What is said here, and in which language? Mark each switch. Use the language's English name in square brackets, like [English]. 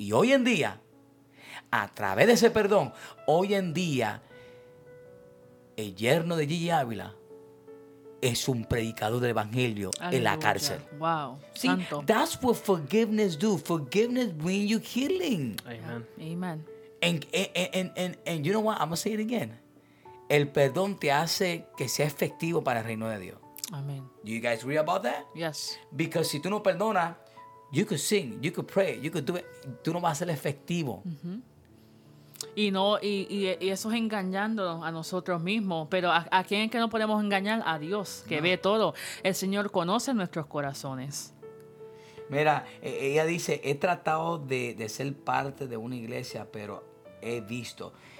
[Spanish] Y hoy en día, a través de ese perdón, hoy en día, el yerno de Gigi Ávila es un predicador del evangelio. Aleluya. En la cárcel. [English] Wow. See, [Spanish] santo. [English] That's what forgiveness do. Forgiveness bring you healing. Amen. Amen. And you know what? I'm going to say it again. [Spanish] El perdón te hace que sea efectivo para el reino de Dios. [English] Amen. Do you guys agree about that? Yes. Because [Spanish] si tú no perdonas, [English] you could sing, you could pray, you could do it. [Spanish] Tú no vas a ser efectivo. Mm-hmm. Y no, y eso es engañando a nosotros mismos. Pero ¿a quién es que no podemos engañar? A Dios, que ve todo. El Señor conoce nuestros corazones. Mira, ella dice, he tratado de ser parte de una iglesia, pero he visto.